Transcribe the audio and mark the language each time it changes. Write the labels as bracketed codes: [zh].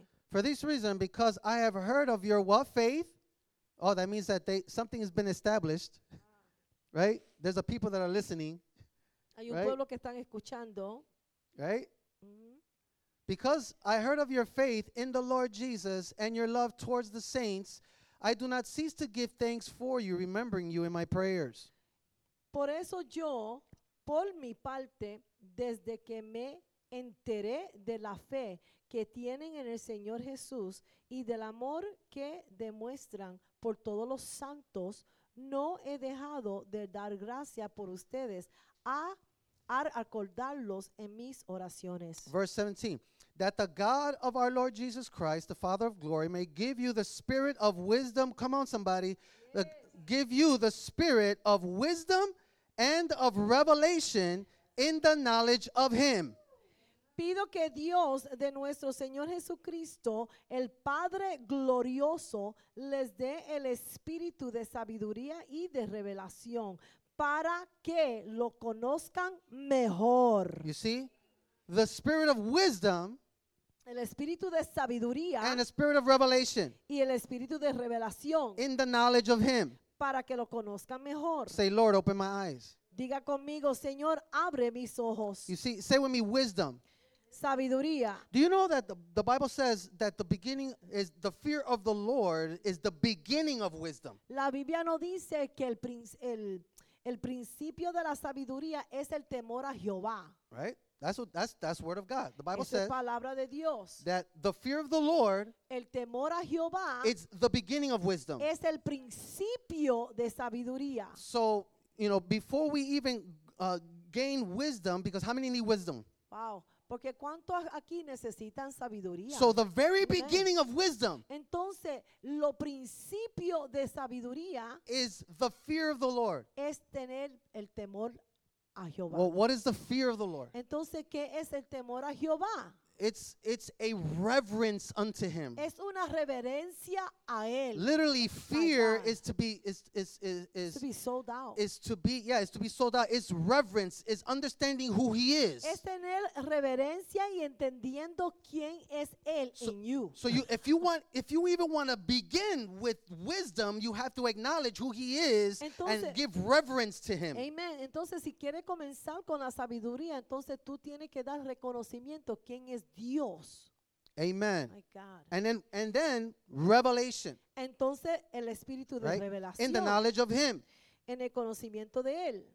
[en] For this reason, because I have heard of your what faith? Oh, that means that something has been established. Right? There's a people that are listening. [es] Hay un pueblo que están escuchando. [en] Right? Because I heard of your faith in the Lord Jesus and your love towards the saints, I do not cease to give thanks for you, remembering you in my prayers. [es] Por eso yo, por mi parte, desde que me enteré de la fe que tienen en el Señor Jesús y del amor que demuestran por todos los santos, no he dejado de dar gracia por ustedes a acordarlos en mis oraciones. [en] Verse 17. That the God of our Lord Jesus Christ, the Father of glory, may give you the spirit of wisdom. Come on, somebody. Yes. Give you the spirit of wisdom and of revelation in the knowledge of him. [es] Pido que Dios de nuestro Señor Jesucristo, el Padre glorioso, les dé el espíritu de sabiduría y de revelación para que lo conozcan mejor. [en] You see? The spirit of wisdom. [es] El espíritu de sabiduría [en] and a spirit of revelation [es] y el espíritu de revelación [en] in the knowledge of him. [es] Para que lo conozcan mejor. [en] Say, Lord, open my eyes. [es] Diga conmigo, Señor, abre mis ojos. [en] You see, say with me, wisdom. [es] Sabiduría. [en] Do you know that the Bible says that the beginning is the fear of the Lord is the beginning of wisdom? [es] La Biblia no dice que el principio de la sabiduría es el temor a Jehová. [en] Right? That's word of God. The Bible says [es] palabra de Dios. [en] That the fear of the Lord [es] el temor a Jehová [en] is the beginning of wisdom. [es] Es el principio de sabiduría. [en] So, you know, before we even gain wisdom, because how many need wisdom? Wow. [es] Porque ¿cuánto aquí necesitan sabiduría? [en] So the very beginning of wisdom. [es] Entonces, lo principio de sabiduría [en] is the fear of the Lord. [es] Es tener el temor. [en] Well, what is the fear of the Lord? [es] Entonces, ¿qué es el temor a Jehová? [en] It's a reverence unto him. [es] Es una reverencia a él. [en] Literally, fear is to be is to be sold out. Is to be yeah, it's to be sold out. It's reverence. It's understanding who he is. [es] Es tener reverencia y entendiendo quién es él en you. [en] So you if you even want to begin with wisdom, you have to acknowledge who he is [es] entonces, [en] and give reverence to him. Amen. [es] Entonces, si quiere comenzar con la sabiduría, entonces tú tienes que dar reconocimiento quién es Dios. [en] Amen. My God. And then revelation. [es] Entonces, el espíritu de [en] right? [es] revelación. [en] In the knowledge of him. [es] en el conocimiento de él.